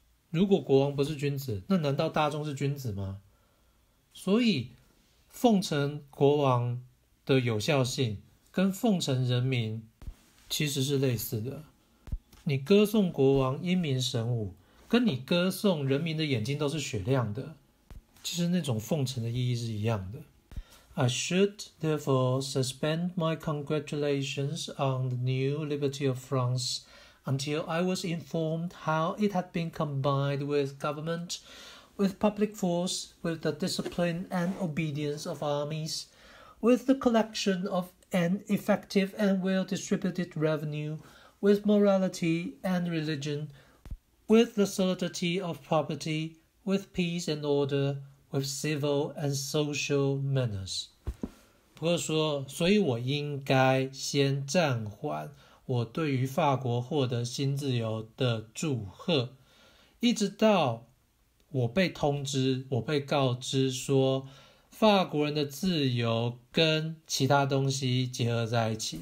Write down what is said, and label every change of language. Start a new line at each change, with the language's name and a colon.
Chinese: 如果国王不是君子，那难道大众是君子吗？所以奉承国王的有效性跟奉承人民其实是类似的，你歌颂国王英明神武跟你歌颂人民的眼睛都是雪亮的，其实那种奉承的意义是一样的。
English: I should therefore suspend my congratulations on the new liberty of France until I was informed how it had been combined with government, with public force, with the discipline and obedience of armies, with the collection of an effective and well-distributed revenue, with morality and religion,with the solidity of property, with peace and order, with civil and social manners.
Chinese: 不过说，所以我应该先暂缓我对于法国获得新自由的祝贺，一直到我被通知，我被告知说，法国人的自由跟其他东西结合在一起。